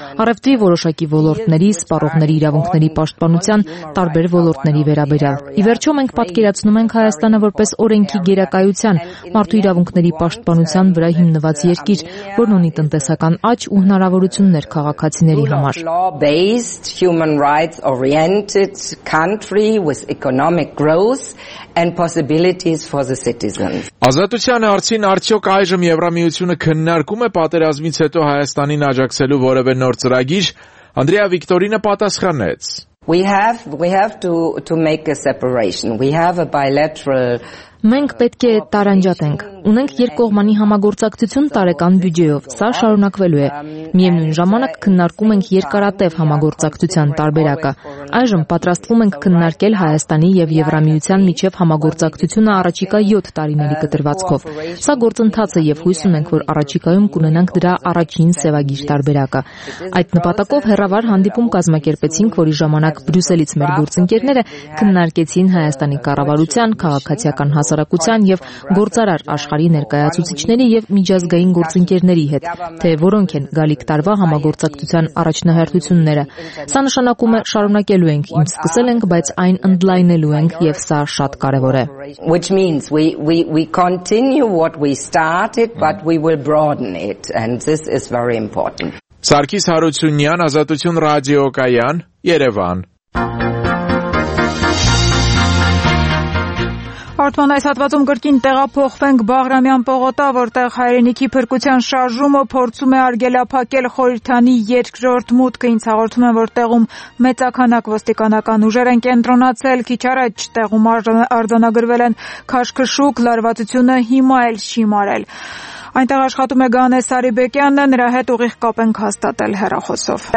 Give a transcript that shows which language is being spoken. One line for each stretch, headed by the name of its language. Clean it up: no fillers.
Armenian: առևտրի որոշակի ոլորտների, սպառողների իրավունքների պաշտպանության տարբեր ոլորտների վերաբերյալ։ Ի վերջո մենք պատկերացնում ենք Հայաստանը որպես օրենքի գերակայության, մարդու իրավունքների պաշտպանության վրա հիմնված երկիր, որն ունի տնտեսական աճ ու հնարավորություններ քաղաքացիների համար։
English: Rights-oriented country with economic growth and possibilities for the citizens.
Armenian: Ազատության արդին արդյոք այժմ Եվրամիությունը քննարկում է պատերազմից հետո Հայաստանին աջակցելու որևէ նոր ծրագիր, Անդրեա Վիկտորինը պատասխանեց.
English: We have to make a separation. We have a bilateral.
Armenian: Մենք պետք է տարանջատենք։ Ունենք երկկողմանի համագործակցություն տարեկան բյուջեով։ Սա շարունակվելու է։ Միևնույն ժամանակ քննարկում ենք երկարատև համագործակցության տարբերակը։ Այժմ պատրաստվում ենք քննարկել Հայաստանի եւ Եվրամիության միջև համագործակցությունը առաջիկա 7 տարիների կտրվածքով։ Սա գործընթաց է եւ հույս ունենք, որ առաջիկայում կունենանք դրա առաջին սևագիր տարբերակը։ Այդ նպատակով հերավար հանդիպում կազմակերպեցինք, որի ժամանակ Բրյուսելից մեր գործընկերները քննարկեցին Հայաստանի կառավարության, քաղաքացիական հասարակության եւ գործարար աշխարհի ներկայացուցիչների եւ միջազգային գործընկերների հետ, թե որոնք են գալիք տարվա համագործակցության առաջնահերթությունները։ Սա նշանակում է, շարունակելու ենք, ինչ սկսել ենք, բայց այն ընդլայնելու ենք եւ սա շատ կարեւոր է։
English: Which means we continue what we started, but we will broaden it, and this is very important.
Armenian: Սարգիս Հարությունյան, Ազատություն ռադիոկայան, Երևան։ Հարթման այս հատվածում գրկին տեղափոխվենք Բաղրամյան պողոտա, որտեղ հայրենիքի փրկության շարժումը փորձում է արգելափակել խորհրդանի երկրորդ մուտքը, ինձ հաղորդում են, որ տեղում մեծականակ ոստիկանական ուժեր են կենտրոնացել, քիչ առաջ տեղում արձանագրվել են քաշքշուկ, լարվածությունը հիմա էլ շիմարել։ Այնտեղ աշխատում է Գանե Սարիբեկյանը, նրա հետ ուղիղ կապ ենք հաստատել հեռախոսով։